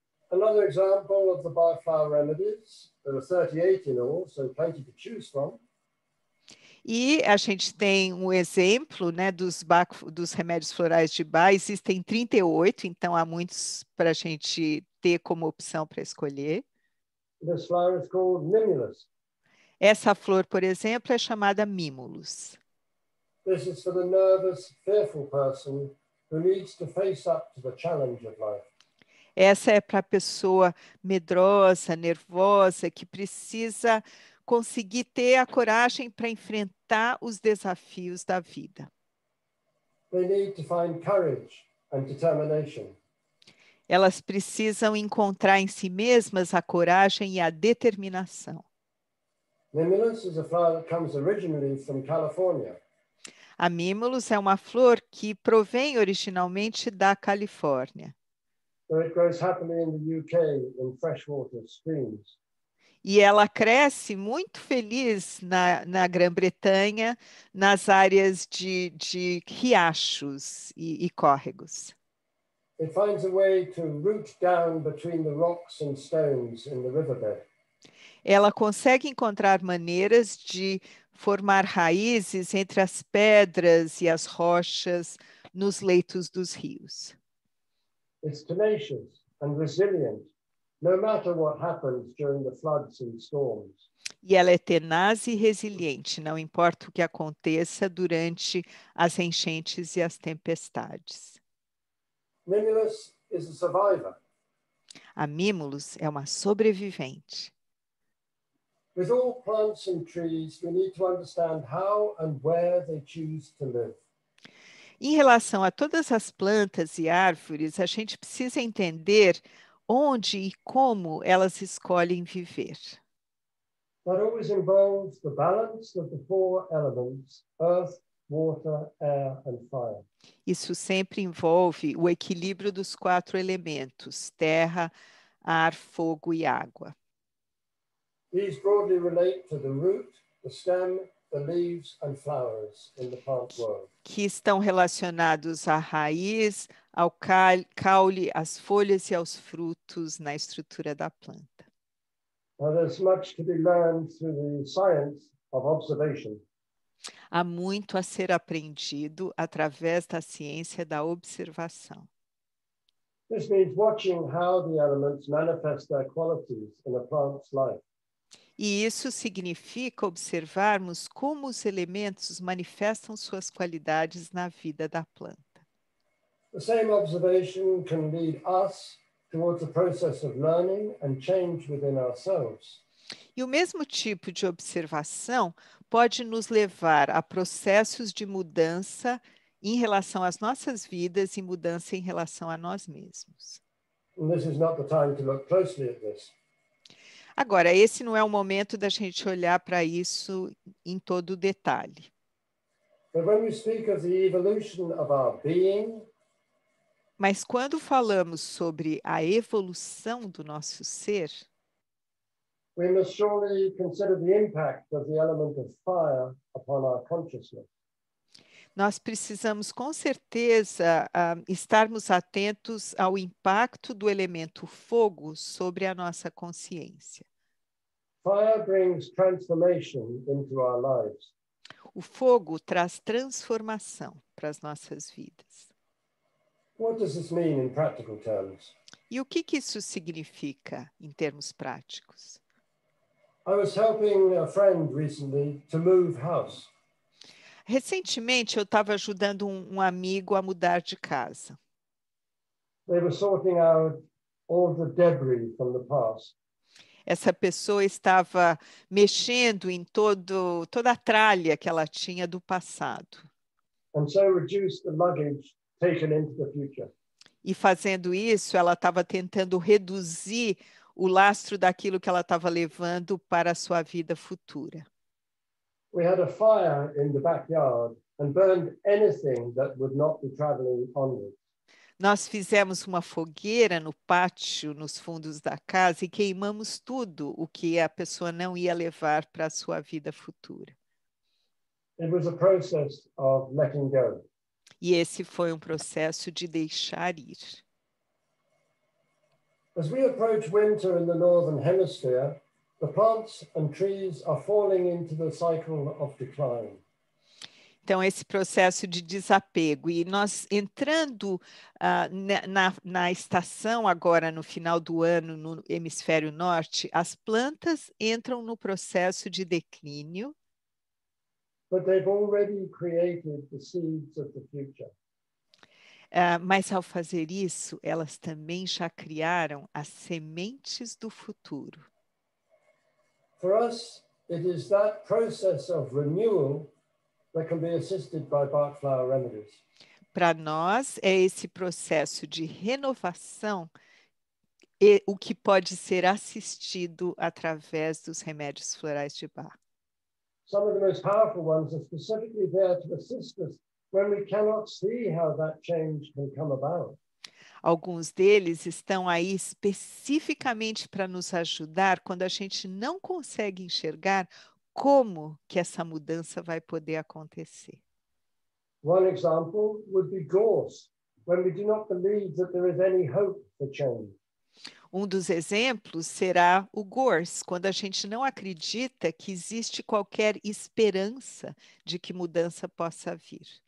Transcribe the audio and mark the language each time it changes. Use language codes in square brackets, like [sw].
[en] Another example of the Barclay remedies, there are 38 in all, so plenty to choose from. [pt] E a gente tem um exemplo, né, dos remédios florais de Bach, existem 38, então há muitos para a gente ter como opção para escolher. [en] This flower is called Mimulus. [pt] Essa flor, por exemplo, é chamada Mimulus. [en] This is for the nervous, fearful person who needs to face up to the challenge of life. [pt] Essa é para a pessoa medrosa, nervosa, que precisa conseguir ter a coragem para enfrentar os desafios da vida. [en] They need to find courage and determination. [pt] Elas precisam encontrar em si mesmas a coragem e a determinação. [en] Mimulus is a flower that comes originally from California. [pt] A Mimulus é uma flor que provém originalmente da Califórnia. [en] So it grows happily in the UK in freshwater streams. [pt] E ela cresce muito feliz na Grã-Bretanha, nas áreas de riachos e córregos. [en] It finds a way to root down between the rocks and stones in the riverbed. [pt] Ela consegue encontrar maneiras de formar raízes entre as pedras e as rochas nos leitos dos rios. [en] It's tenacious and resilient, no matter what happens during the floods and storms. [pt] E ela é tenaz e resiliente, não importa o que aconteça durante as enchentes e as tempestades. [en] Mimulus is a survivor. [pt] A Mimulus é uma sobrevivente. [en] With all plants and trees, we need to understand how and where they choose to live. [pt] Em relação a todas as plantas e árvores, a gente precisa entender onde e como elas escolhem viver. [en] That always involves the balance of the four elements, earth, water, air, and fire. [pt] Isso sempre envolve o equilíbrio dos quatro elementos, terra, ar, fogo e água. [en] These broadly relate to the root, the stem, the leaves and flowers in the plant world. [pt] Que estão relacionados à raiz, ao caule, às folhas e aos frutos na estrutura da planta. [en] Now, there's much to be learned through the science of observation. [pt] Há muito a ser aprendido através da ciência da observação. [en] This means watching how the elements manifest their qualities in a plant's life. [pt] E isso significa observarmos como os elementos manifestam suas qualidades na vida da planta. [en] The same observation can lead us towards a process of learning and change within ourselves. [pt] E o mesmo tipo de observação pode nos levar a processos de mudança em relação às nossas vidas e mudança em relação a nós mesmos. [en] And this is not the time to look closely at this. [pt] Agora, esse não é o momento da gente olhar para isso em todo detalhe. [en] But when we speak of the evolution of our being, [pt] mas quando falamos sobre a evolução do nosso ser, [en] we must surely consider the impact of the element of fire upon our consciousness. [pt] Nós precisamos, com certeza, estarmos atentos ao impacto do elemento fogo sobre a nossa consciência. [en] Fire brings transformation into our lives. [pt] O fogo traz transformação para as nossas vidas. [en] What does this mean in practical terms? [pt] E o que isso significa em termos práticos? [en] I was helping a friend recently to move house. [pt] Recentemente, eu estava ajudando um amigo a mudar de casa. [en] They were sorting out all the debris from the past. [pt] Essa pessoa estava mexendo em toda a tralha que ela tinha do passado. [en] And so reduced the luggage taken into the future. [pt] E fazendo isso, ela estava tentando reduzir o lastro daquilo que ela estava levando para a sua vida futura. [en] We had a fire in the backyard and burned anything that would not be traveling onward. [pt] Nós fizemos uma fogueira no pátio, nos fundos da casa, e queimamos tudo o que a pessoa não ia levar para a sua vida futura. [en] It was a process of letting go. [pt] E esse foi um processo de deixar ir. [en] As we approach winter in the northern hemisphere, the plants and trees are falling into the cycle of decline. [pt] Então, esse processo de desapego. E nós entrando na estação agora, no final do ano, no hemisfério norte, as plantas entram no processo de declínio. [en] But they've already created the seeds of the future. [pt] Mas ao fazer isso, elas também já criaram as sementes do futuro. [en] For us, it is that process of renewal that can be assisted by bark flower remedies. [pt] Para nós, é esse processo de renovação o que pode ser assistido através dos remédios florais de Bach. [en] Some of the most powerful ones are specifically there to assist us when we cannot see how that change can come about. [pt] Alguns deles estão aí especificamente para nos ajudar quando a gente não consegue enxergar como que essa mudança vai poder acontecer. [en] One example would be gorse, when we do not believe that there is any hope for change. [pt] Um dos exemplos será o gorse, quando a gente não acredita que existe qualquer esperança de que mudança possa vir.